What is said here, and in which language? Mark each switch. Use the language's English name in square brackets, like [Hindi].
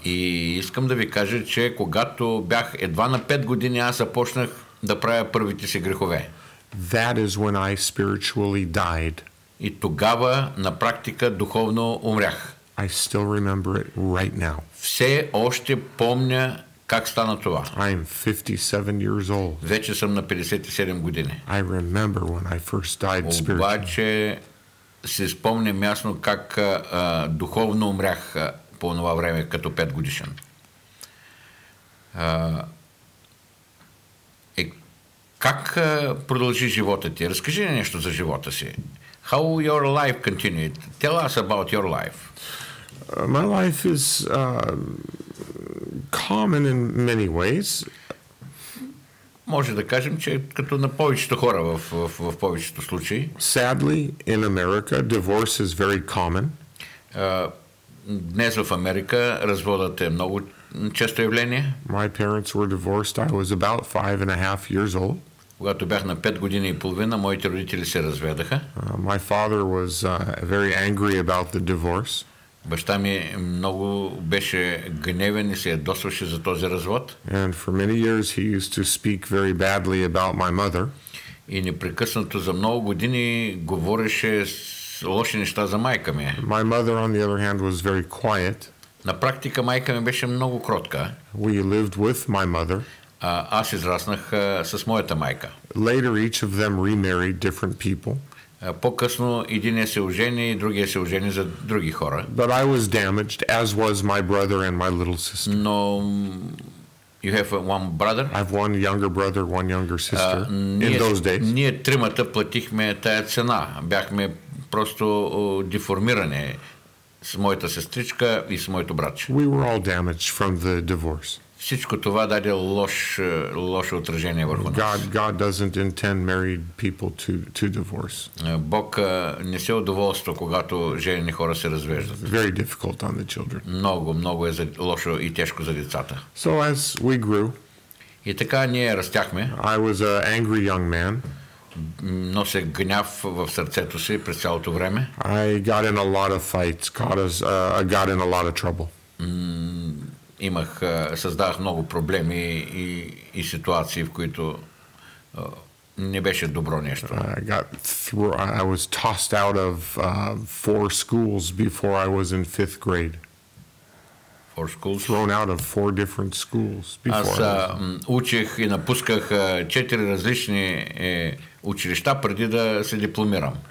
[Bulgarian] И искам да ви кажа, че когато бях едва на 5 години, аз започнах да правя първите си грехове. [English] That is when I spiritually died. [Bulgarian] И тогава на практика духовно умрях. [English] I still remember it right now. [Bulgarian] Все още помня Как стана това? [English] I'm 57 years old. [Bulgarian] Вече съм на 57 години. [English] I remember when I first died [Bulgarian] spiritually. Обаче си спомням ясно как духовно умрях по това време, като 5 годишен. Как продължи живота ти? Разкажи ни нещо за живота си. [English] How your life continued? Tell us about your life. My life is common in many ways. [Bulgarian] Може да кажем, че като на повечето хора в повечето случаи. [English] Sadly, in America, divorce is very common. [Bulgarian] Днес в Америка разводът е много често явление. [English] My parents were divorced. I was about 5.5 years old. [Bulgarian] Когато бях на 5 години и половина, моите родители се разведаха. [English] My father was very angry about the divorce. [Bulgarian] Баща ми много беше гневен и се ядосваше за този развод. [English] And for many years he used to speak very badly about my mother. [Bulgarian] И непрекъснато за много години говореше лоши неща за майка ми. [English] My mother, on the other hand, was very quiet. [Bulgarian] На практика майка ми беше много кротка. [English] We lived with my mother. [Bulgarian] Аз израснах с моята майка. [English] Later each of them remarried different people. [Bulgarian] По-късно единия се ожени и другия се ожени за други хора. [English] But I was damaged, as was my brother and my little sister. No, you have one brother? I have one younger brother, one younger sister. In those days. [Bulgarian] Ние тримата платихме тая цена. Бяхме просто деформирани с моята сестричка и с моето братче. [English] We were all damaged from the divorce. [Bulgarian] Всичко това даде лошо отражение върху нас. [English] God doesn't intend married people to divorce. [Bulgarian] Бог не се удоволства, когато женени хора се развеждат. [English] Very difficult on the children. [Bulgarian] Много, много е лошо и тежко за децата. [English] So as we grew, [Bulgarian] и така ние растяхме. [English] I was an angry young man. [Bulgarian] Носех гняв в сърцето си през цялото време. [English] I got in a lot of fights, got in a lot of trouble. [Bulgarian] Имах, създавах много проблеми и ситуации, в които не беше добро нещо. [English] I was tossed out of four schools before I was in fifth grade. Four schools? Thrown out of four different schools before. [Bulgarian] Аз учех и напусках четири различни училища преди да се дипломирам.